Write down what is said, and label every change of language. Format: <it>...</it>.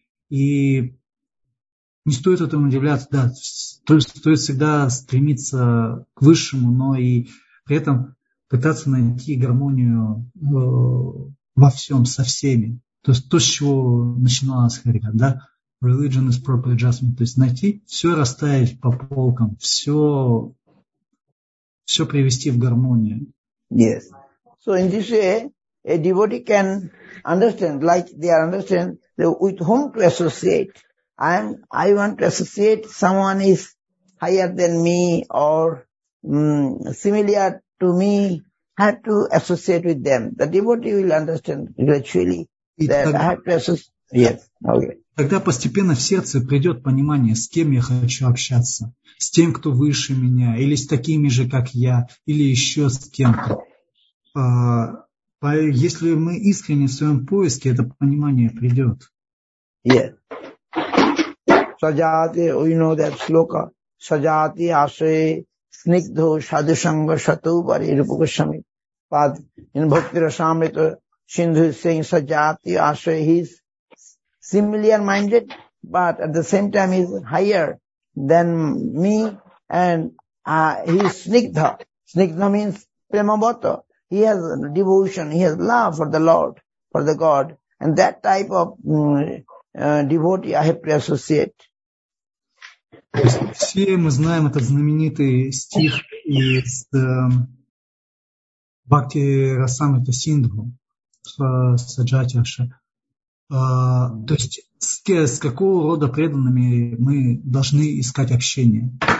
<ru>И не стоит этому удивляться. Да, стоит всегда стремиться к высшему, но и при этом пытаться найти гармонию во всем, со всеми. То есть то, с чего начиналась Харика, да?</ru> <en>Religion is proper adjustment.</en> <ru>То есть найти, все расставить по полкам, все привести в гармонию.</ru> <en>Yes. So in this way, a devotee can understand, like they are understand, with whom to associate. I want to associate someone is higher than me or similar to me. Have to associate with them. The devotee will understand gradually that I have to associate. Yes. Okay.</en> <ru>Тогда постепенно в сердце придет понимание, с кем я хочу общаться. С тем, кто выше меня, или с такими же, как я, или еще с кем-то. Если мы искренне в своем поиске, это понимание придет.</ru> <en>Yes. Sajati, we know that sloka.</en> <sa>Sajati, ashe, snigdho, sadhusanga, satubari, rupukushami.</sa> <en>But in Bhakti Rasamrita, Sindhu is saying, sajati, ashe, his similar minded, but at the same time he is higher than me, and he is snigdha. Snigdha means premabhata. He has devotion, he has love for the Lord, for the God, and that type of devotee I have to associate.</en> <ru>Все мы знаем этот знаменитый стих из Бхакти Расамрита Синдху, саджатиша. То есть с какого рода преданными мы должны искать общение?</ru>